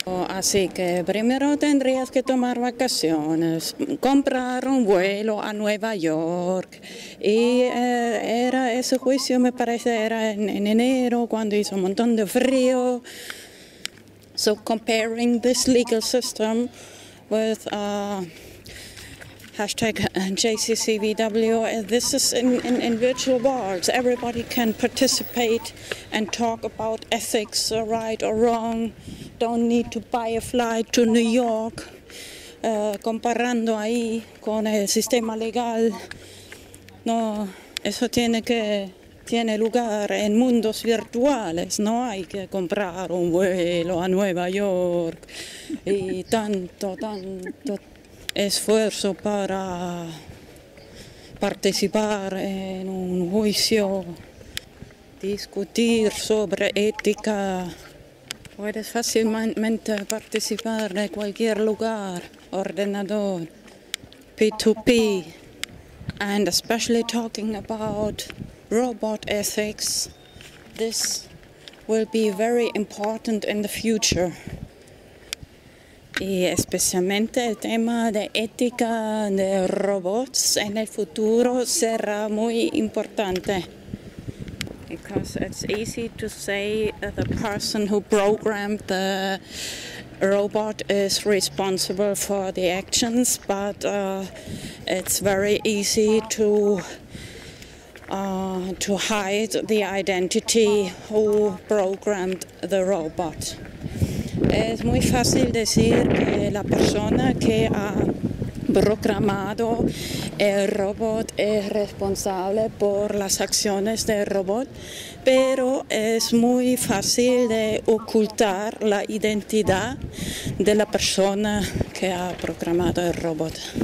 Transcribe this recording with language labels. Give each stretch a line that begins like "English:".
Spanish: Así que primero tendrías que tomar vacaciones, comprar un vuelo a Nueva York. Y era ese juicio, me parece, era en enero, cuando hizo un montón de frío.
English: So comparing this legal system with hashtag JCCVW, this is in virtual worlds. Everybody can participate and talk about ethics, right or wrong. Don't need to buy a flight to New York.
Spanish: Comparando ahí con el sistema legal, no, eso tiene lugar en mundos virtuales. No hay que comprar un vuelo a Nueva York y tanto esfuerzo para participar en un juicio, discutir sobre ética. Puedes fácilmente participar de cualquier lugar, ordenador, P2P.
English: And especially talking about robot ethics, this will be very important in the future.
Spanish: Y especialmente el tema de ética de robots en el futuro será muy importante.
English: Because it's easy to say that the person who programmed the robot is responsible for the actions, but it's very easy to hide the identity who programmed the robot.
Spanish: Es muy fácil decir que la persona que ha programado el robot es responsable por las acciones del robot, pero es muy fácil de ocultar la identidad de la persona que ha programado el robot.